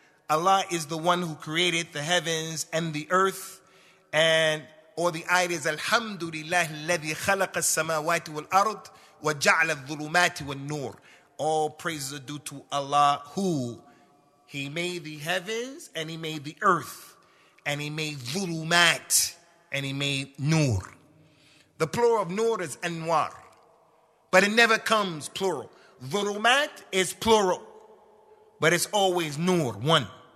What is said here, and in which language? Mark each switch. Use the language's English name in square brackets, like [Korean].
[English] Allah is the one who created the heavens and the earth. Or the ayat is, [Arabic] Alhamdulillah, الذي خلق السماوات والأرض وجعل الظلمات والنور. [English] All praises are due to Allah, who He made the heavens and He made the earth. And He made ظلمات and He made نور. The plural of نور is أنوار. But it never comes plural. Dhulumat is plural, but it's always nur, one.